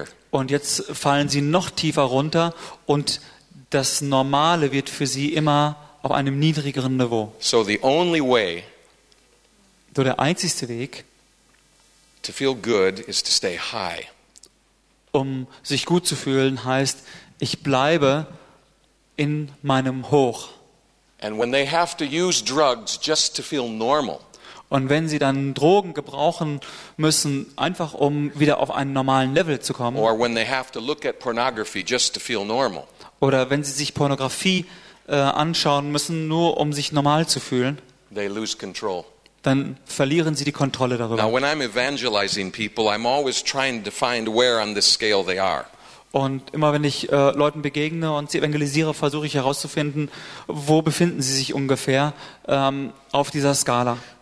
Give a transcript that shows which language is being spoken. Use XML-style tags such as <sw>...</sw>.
<de>Und jetzt fallen sie noch tiefer runter und das Normale wird für sie immer auf einem niedrigeren Niveau.</de> <en>So, the only way,</en> <de>so der einzigste Weg,</de> <en>to feel good is to stay high.</en> <de>Um sich gut zu fühlen heißt, ich bleibe in meinem Hoch.</de> <en>And when they have to use drugs just to feel normal.</en> <de>Und wenn sie dann Drogen gebrauchen müssen, einfach um wieder auf einen normalen Level zu kommen.</de> <en>Or when they have to look at pornography just to feel normal.</en> <de>Oder wenn sie sich Pornografie anschauen müssen, nur um sich normal zu fühlen.</de> <en>They lose control.</en> <de>Dann verlieren sie die Kontrolle darüber. Und immer wenn ich Leuten begegne und sie evangelisiere, versuche ich herauszufinden, wo befinden sie sich ungefähr auf dieser Skala.</de>